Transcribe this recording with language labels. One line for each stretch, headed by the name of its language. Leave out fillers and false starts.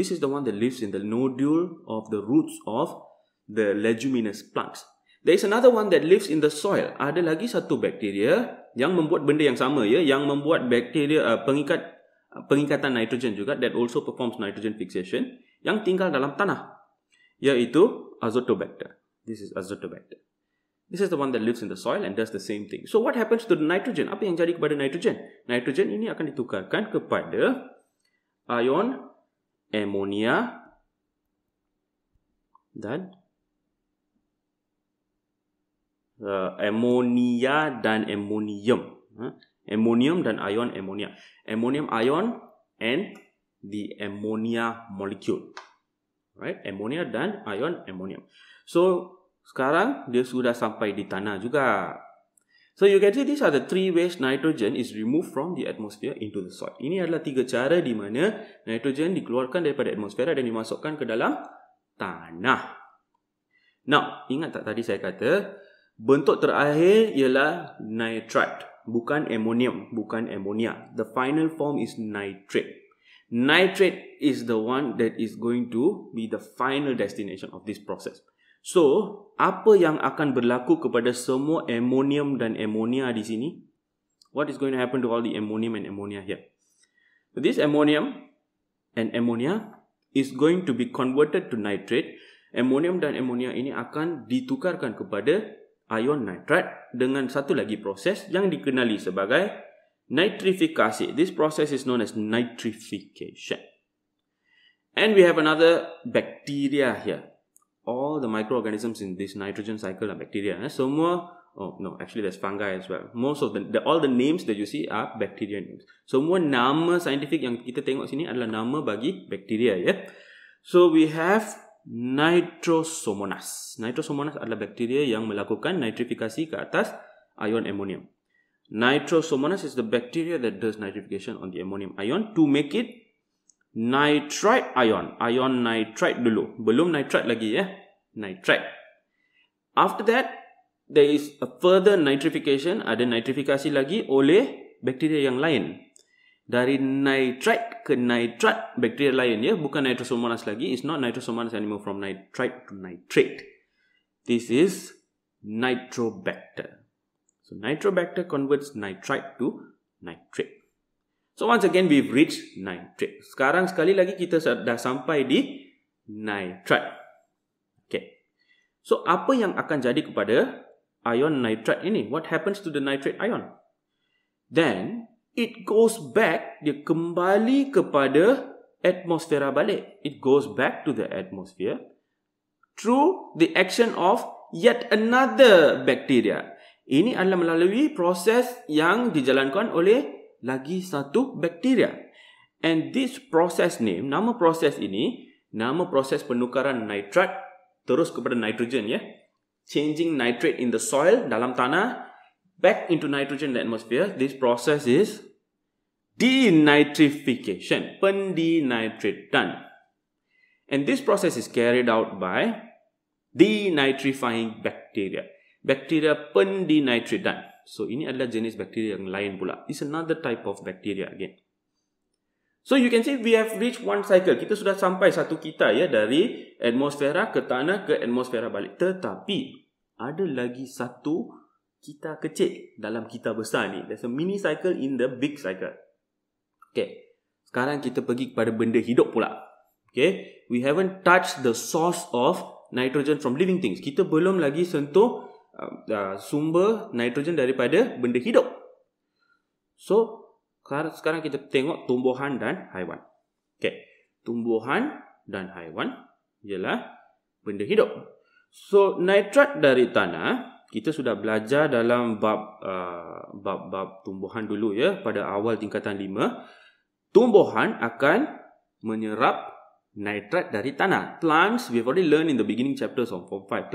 English: This is the one that lives in the nodule of the roots of the leguminous plants. There is another one that lives in the soil.
Malay: Ada lagi satu bakteria yang membuat benda yang sama, ya, yang membuat bakteria pengikatan nitrogen juga,
English: that also performs nitrogen fixation,
Malay: yang tinggal dalam tanah, yaitu azotobacter.
English: This is azotobacter. This is the one that lives in the soil and does the same thing. So what happens to the nitrogen?
Malay: Apa yang jadi kepada nitrogen? Nitrogen ini akan ditukarkan kepada ion ammonia dan ammonia dan ammonium. Ammonium dan ion ammonia.
English: Ammonium ion and the ammonia molecule. Right?
Malay: Ammonia dan ion ammonium. So, sekarang dia sudah sampai di tanah juga.
English: So, you can see these are the three ways nitrogen is removed from the atmosphere into the soil.
Malay: Ini adalah tiga cara di mana nitrogen dikeluarkan daripada atmosfera dan dimasukkan ke dalam tanah. Now, ingat tak tadi saya kata, bentuk terakhir ialah nitrite, bukan ammonium, bukan ammonia.
English: The final form is nitrate. Nitrate is the one that is going to be the final destination of this process.
Malay: So, apa yang akan berlaku kepada semua ammonium dan ammonia di sini?
English: What is going to happen to all the ammonium and ammonia here? This ammonium and ammonia is going to be converted to nitrate.
Malay: Ammonium dan ammonia ini akan ditukarkan kepada ion nitrat dengan satu lagi proses yang dikenali sebagai nitrifikasi.
English: This process is known as nitrification. And we have another bacteria here. All the microorganisms in this nitrogen cycle are bacteria.
Malay: Semua,
English: actually there's fungi as well. Most of the all the names that you see are bacteria names.
Malay: Semua nama scientific yang kita tengok sini adalah nama bagi bacteria. Yeah?
English: So we have Nitrosomonas.
Malay: Nitrosomonas adalah bakteria yang melakukan nitrifikasi ke atas ion ammonium.
English: Nitrosomonas is the bacteria that does nitrification on the ammonium ion to make it nitrite ion.
Malay: Ion nitrite dulu. Belum nitrite lagi, ya. Nitrite.
English: After that, there is a further nitrification.
Malay: Ada nitrifikasi lagi oleh bakteria yang lain. Dari nitrite ke nitrat, bakteria lain, ya, bukan nitrosomonas lagi.
English: It's not nitrosomonas anymore, from nitrite to nitrate. This is nitrobacter. So nitrobacter converts nitrite to nitrate. So once again we've reached nitrate.
Malay: Sekarang sekali lagi kita dah sampai di nitrat. Okay. So apa yang akan jadi kepada ion nitrat ini?
English: What happens to the nitrate ion? Then it goes back,
Malay: dia kembali kepada atmosfera balik.
English: It goes back to the atmosphere through the action of yet another bacteria.
Malay: Ini adalah melalui proses yang dijalankan oleh lagi satu bacteria.
English: And this process name,
Malay: nama proses ini, nama proses penukaran nitrat terus kepada nitrogen, ya.
English: Changing nitrate in the soil,
Malay: dalam tanah,
English: back into nitrogen in the atmosphere, this process is denitrification,
Malay: pendenitritan.
English: And this process is carried out by denitrifying bacteria.
Malay: Bacteria pendenitritan. So, ini adalah jenis bacteria yang lain pula.
English: It's another type of bacteria again. So, you can see we have reached one cycle.
Malay: Kita sudah sampai satu kitar, ya, dari atmosfera ke tanah ke atmosfera balik. Tetapi, ada lagi satu kitar kecil dalam kitar besar ni.
English: There's a mini cycle in the big cycle. Okay.
Malay: Sekarang kita pergi kepada benda hidup pula. Okay.
English: We haven't touched the source of nitrogen from living things.
Malay: Kita belum lagi sentuh sumber nitrogen daripada benda hidup. So, sekarang kita tengok tumbuhan dan haiwan. Okay. Tumbuhan dan haiwan ialah benda hidup. So, nitrat dari tanah, kita sudah belajar dalam bab tumbuhan dulu, ya, pada awal tingkatan 5. Tumbuhan akan menyerap nitrat dari tanah.
English: Plants, we've already learned in the beginning chapters of Form 5.